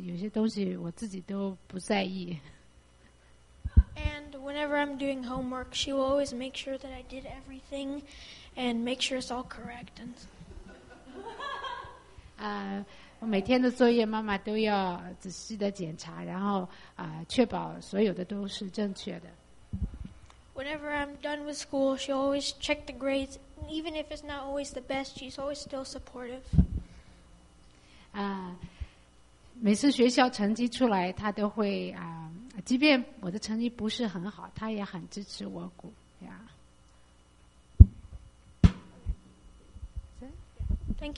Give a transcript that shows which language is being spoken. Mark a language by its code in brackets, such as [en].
[zh] 每天早上，妈妈总是要按时叫醒我，然后呢，提醒我需要准备一些东西，有些东西我自己都不在意。 [en] And whenever I'm doing homework, she will always make sure that I did everything and make sure it's all correct. And [zh] 我每天的作业妈妈都要仔细的检查，然后确保所有的都是正确的。 [en] Whenever I'm done with school, she always check the grades. Even if it's not always the best, she's always still supportive. [zh] 每次学校成绩出来，她都会 即便我的成绩不是很好，他也很支持我鼓。 [en] Thank